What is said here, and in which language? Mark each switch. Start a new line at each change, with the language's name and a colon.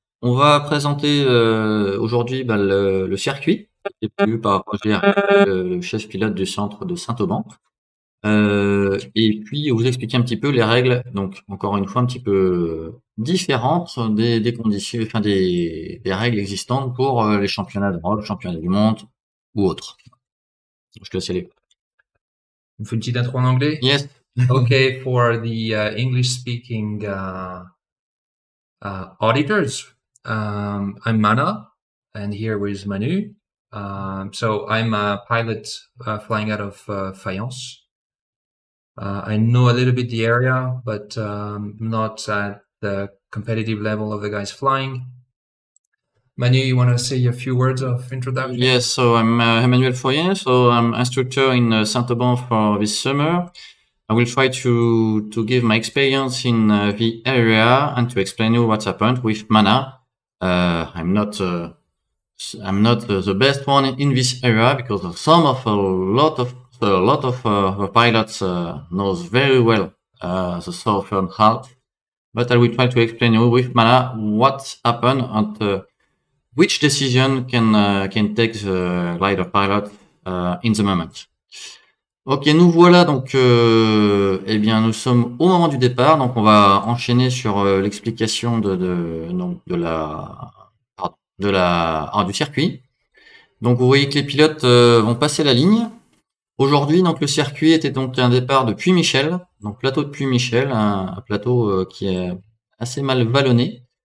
French: On va présenter aujourd'hui, bah, le circuit qui est prévu par Roger, le chef pilote du centre de Saint-Auban. Et puis vous expliquer un petit peu les règles, donc encore une fois un petit peu différentes des conditions, enfin des règles existantes pour les championnats d'Europe, championnats du monde ou autres. Je te laisse aller. Une petite intro en anglais?
English: Yes. Okay, for the English-speaking auditors, I'm Mana, and here is Manu. So I'm a pilot flying out of Fayence. I know a little bit the area, but not at the competitive level of the guys flying. Manu, you want to say a few words of introduction? Yes, so I'm Emmanuel Fourier, so I'm instructor in Saint-Auban for this summer. I will try to give my experience in the area and to explain you what's happened with Mana. I'm not the best one in this area because of some of a lot of pilots knows very well the southern half, but I will try to explain you with Mana what happened at which decision can take the glider pilot in the moment.
French: Ok, nous voilà donc, eh bien, nous sommes au moment du départ, donc on va enchaîner sur l'explication du circuit. Donc, vous voyez que les pilotes vont passer la ligne. Aujourd'hui, donc, le circuit était donc un départ de Puy-Michel, donc plateau de Puy-Michel, un plateau qui est assez mal vallonné.